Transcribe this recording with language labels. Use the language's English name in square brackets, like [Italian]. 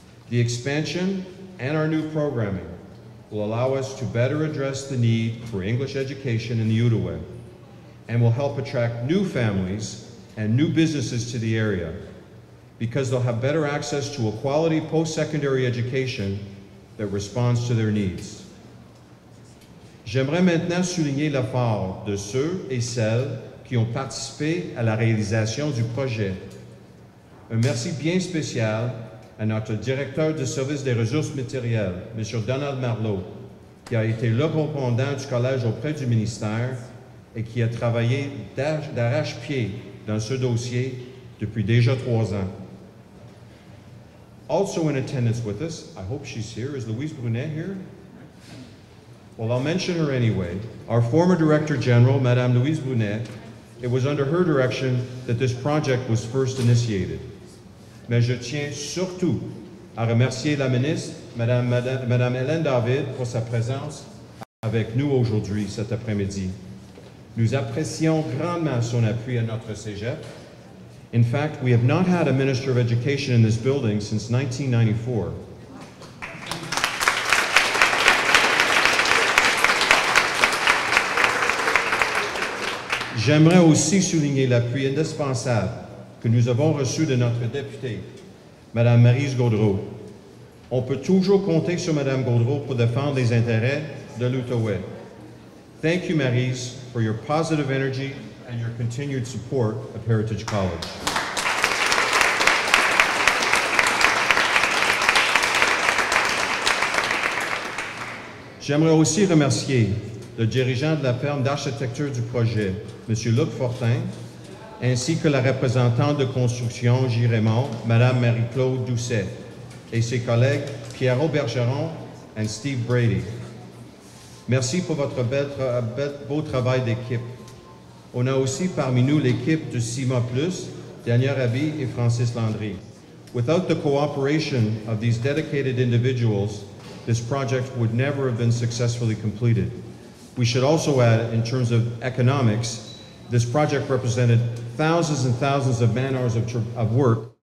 [English] The expansion and our new programming will allow us to better address the need for English education in the Outaouais and will help attract new families and new businesses to the area because they'll have better access to a quality post-secondary education that responds to their needs. [French] J'aimerais maintenant souligner l'effort de ceux et celles qui ont participé à la réalisation du projet. Un merci bien spécial à notre directeur de service des ressources matérielles, M. Donald Marlowe, qui a été le correspondant du collège auprès du ministère et qui a travaillé d'arrache-pied dans ce dossier depuis déjà 3 ans. [English] Also in attendance with us, I hope she's here, is Louise Brunet here? Well, I'll mention her anyway. Our former director general, Madame Louise Brunet, It was under her direction that this project was first initiated. [French] Mais je tiens surtout à remercier la ministre, Madame Hélène David, pour sa présence avec nous aujourd'hui, cet après-midi. Nous apprécions grandement son appui à notre cégep. [English] In fact, we have not had a Minister of Education in this building since 1994. [French] J'aimerais aussi souligner l'appui indispensable que nous avons reçu de notre députée, Madame Maryse Gaudreau. On peut toujours compter sur Madame Gaudreau pour défendre les intérêts de l'Outaouais. [English] Thank you, Maryse, for your positive energy and your continued support of Heritage College. [French] J'aimerais aussi remercier le dirigeant de la firme d'architecture du projet, M. Luc Fortin, ainsi que la représentante de construction J. Raymond, Mme Marie-Claude Doucet, et ses collègues Pierrot Bergeron et Steve Brady. Merci pour votre beau travail d'équipe. On a aussi parmi nous l'équipe de CIMA Plus, Daniel Rabhi et Francis Landry. [English] Without the cooperation of these dedicated individuals, this project would never have been successfully completed. We should also add, in terms of economics, this project represented thousands and thousands of man hours of work.